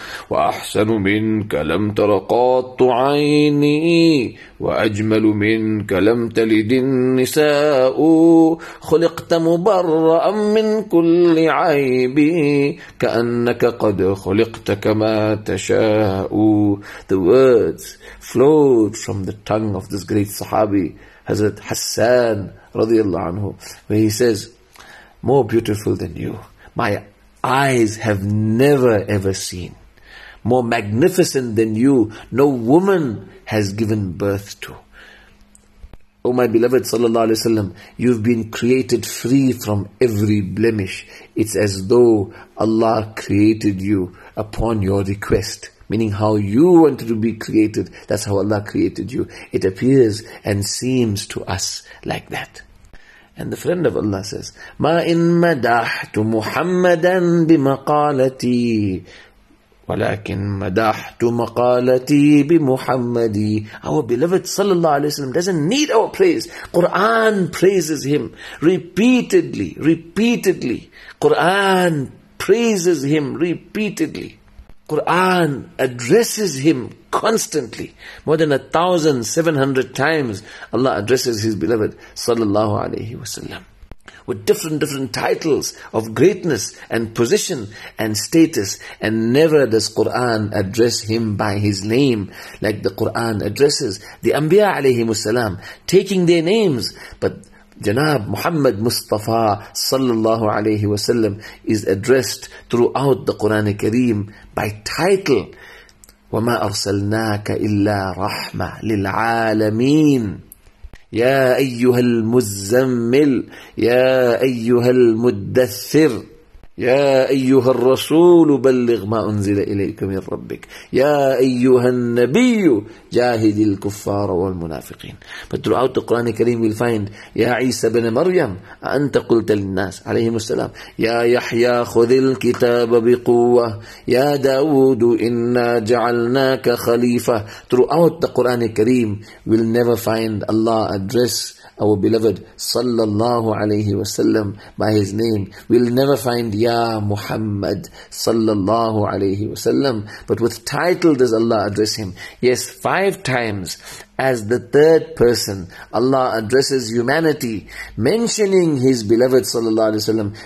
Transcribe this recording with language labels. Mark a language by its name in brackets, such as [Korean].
[Arabic] وأحسن منك لم تر قط عيني، وأجمل منك لم تلد النساء. خلقت مبرأ من كل عيب، كأنك قد خلقت كما تشاء. [English] The words flowed from the tongue of this great Sahabi, Hazrat Hassan radiallahu anhu, where he says, more beautiful than you, my eyes have never ever seen. More magnificent than you, no woman has given birth to. O my beloved sallallahu alaihi wasallam, you've been created free from every blemish. It's as though Allah created you upon your request. Meaning how you wanted to be created, that's how Allah created you. It appears and seems to us like that. And the friend of Allah says, [Arabic] مَا إِن مَدَحْتُ مُحَمَّدًا بِمَقَالَتِي وَلَكِن مَدَحْتُ مَقَالَتِي بِمُحَمَّدِي. [English] Our beloved sallallahu alayhi wa sallam doesn't need our praise. Quran praises him repeatedly, repeatedly. Quran praises him repeatedly. Quran addresses him constantly. More than 1,700 times Allah addresses his beloved sallallahu alayhi wa sallam with different titles of greatness and position and status. And never does Quran address him by his name like the Quran addresses the Anbiya alayhim wasalam, taking their names. But Janab Muhammad Mustafa sallallahu alayhi wasallam is addressed throughout the Quran Kareem by title. [Arabic] وَمَا أَرْسَلْنَاكَ إِلَّا رَحْمَةً لِلْعَالَمِينَ يا أيها المزمل يا أيها المدثر يا أيها الرسول بلغ ما أنزل إليك من ربك يا أيها النبي جاهد الكفار والمنافقين. [English] But throughout the Quran Kareem we'll find [Arabic] يا عيسى بن مريم أنت قلت للناس عليهم السلام يا يحيى خذ الكتاب بقوة يا داود إنا جعلناك خليفة. [English] Throughout the Quran Kareem we'll never find Allah address our beloved sallallahu alayhi wa sallam by his name. We'll never find Ya Muhammad sallallahu alayhi wa sallam. But with title does Allah address him. Yes, 5 times as the third person Allah addresses humanity, mentioning his beloved sallallahu alayhi wa sallam.